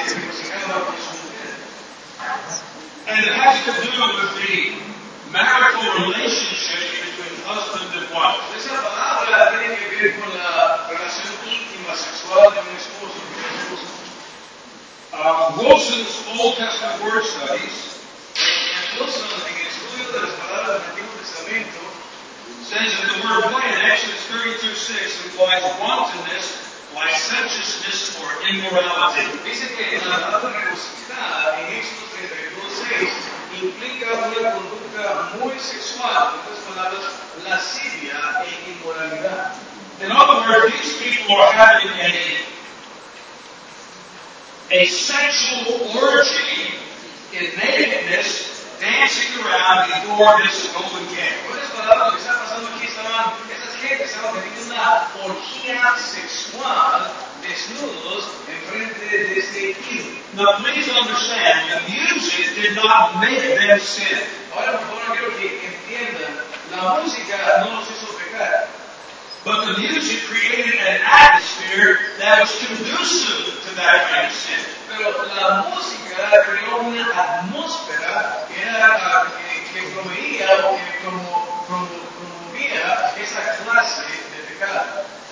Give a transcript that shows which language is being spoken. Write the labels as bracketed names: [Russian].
[English] And it has to do with the marital relationship between husband and wife. [Spanish] Esa palabra tiene que ver con la relación íntima sexual de un esposo con su esposa. [English] Wilson's Old Testament Word Studies, [Spanish] and Wilson, en el estudio de las palabras del Antiguo Testamento, [English] says that the word play in Exodus 32:6 implies wantonness, licentiousness, or immorality. [Spanish] Dice que la palabra regocijar en Exodus 32:6 implica una conducta muy sexual, en otras palabras, lascivia e inmoralidad. [English] In other words, these people are having a sexual orgy in nakedness, dancing around before this open camp. What is going on? What's happening here? [Spanish] Estas gentes estaban teniendo una orgía sexual desnudos en frente de este ídolo. [English] Now please understand, the music did not make them sin. [Spanish] Ahora por favor quiero que entiendan, la música no los hizo pecar. [English] But the music created an atmosphere that was conducive to that kind of sin. [Spanish] Pero la música creó una atmósfera que proveía o que promovía esa clase de pecado.